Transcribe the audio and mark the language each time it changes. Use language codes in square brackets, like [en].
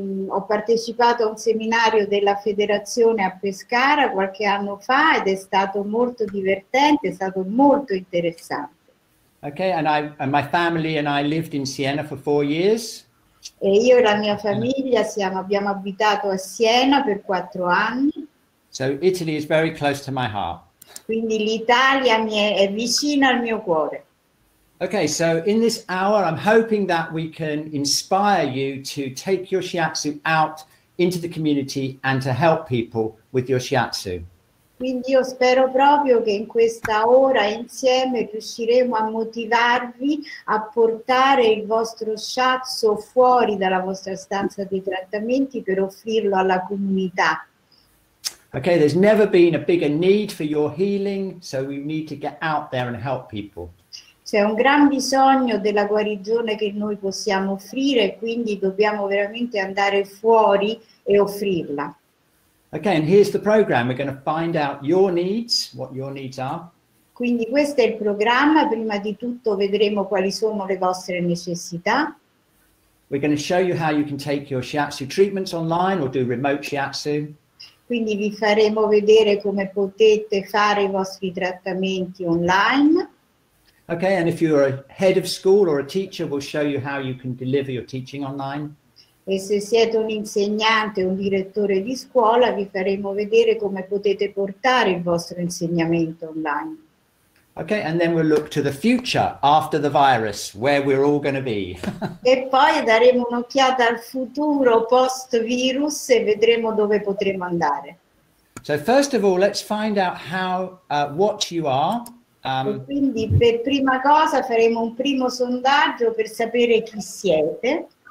[it] Ho partecipato a un seminario della federazione a Pescara qualche anno fa ed è stato molto divertente, è stato molto interessante. [en] Okay, and my family and I lived in Siena for 4 years. [it] E io e la mia famiglia abbiamo abitato a Siena per 4 anni. [en] So Italy is very close to my heart. [it] Quindi l'Italia mi è vicina al mio cuore. [en] Okay, so in this hour I'm hoping that we can inspire you to take your shiatsu out into the community and to help people with your shiatsu. [it] Quindi io spero proprio che in questa ora insieme riusciremo a motivarvi a portare il vostro shiatsu fuori dalla vostra stanza di trattamenti per offrirlo alla comunità. [en] Okay, there's never been a bigger need for your healing, so we need to get out there and help people. [it] C'è un gran bisogno della guarigione che noi possiamo offrire, quindi dobbiamo veramente andare fuori e offrirla. [en] Okay, and here's the program. We're going to find out your needs, what your needs are. [it] Quindi questo è il programma. Prima di tutto vedremo quali sono le vostre necessità. [en] We're going to show you how you can take your shiatsu treatments online or do remote shiatsu. [it] Quindi vi faremo vedere come potete fare i vostri trattamenti online. [en] Okay, and if you're a head of school or a teacher, we'll show you how you can deliver your teaching online. [it] E se siete un insegnante, un direttore di scuola, vi faremo vedere come potete portare il vostro insegnamento online. [en] Okay, and then we'll look to the future, after the virus, where we're all going to be. [it] E poi daremo un'occhiata al futuro post-virus e vedremo dove potremo andare. [en] So first of all, let's find out how, what you are. [it] E quindi per prima cosa faremo un primo sondaggio per sapere chi siete.